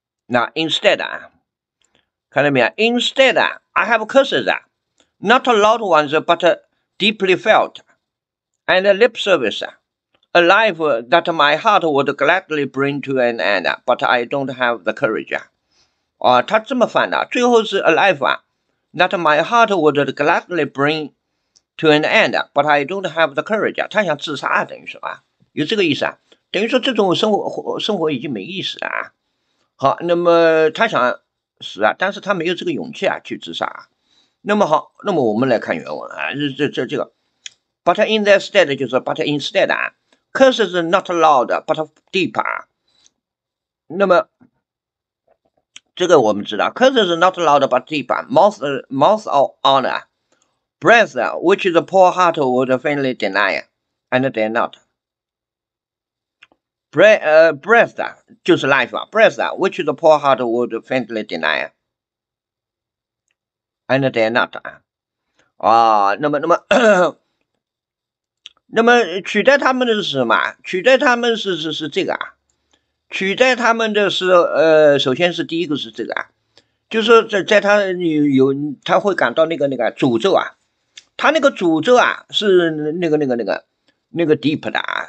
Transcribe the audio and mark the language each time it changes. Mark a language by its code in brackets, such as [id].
[en] Now instead, [zh] 看到没有 [en] ？Instead, I have curses, not loud ones, but deeply felt, and lip service, a life that my heart would gladly bring to an end, but I don't have the courage. [zh] 他这么反的，最后是 [en] a life, that my heart would gladly bring. To an end, but I don't have the courage. [zh] 他想自杀，等于说啊，有这个意思啊，等于说这种生活已经没意思了啊。好，那么他想死啊，但是他没有这个勇气啊去自杀啊。那么好，那么我们来看原文啊，这个 ， [en] but in their stead [zh] 就是 [en] but instead [zh] 啊 ， [en] curses not loud but deep [zh] 啊。那么这个我们知道 [en] ，cursed is not loud but deep, mouth of honor, breath which the poor heart would faintly deny, and dare not. Breath [zh] 就是 [en] life 啊 ，breath which the poor heart would faintly deny, and dare not. [zh] 啊，那么取代他们的是什么？取代他们是这个啊。取代他们的是，首先是第一个是这个啊，就是在他有他会感到那个诅咒啊，他那个诅咒啊是那个 deep 的啊。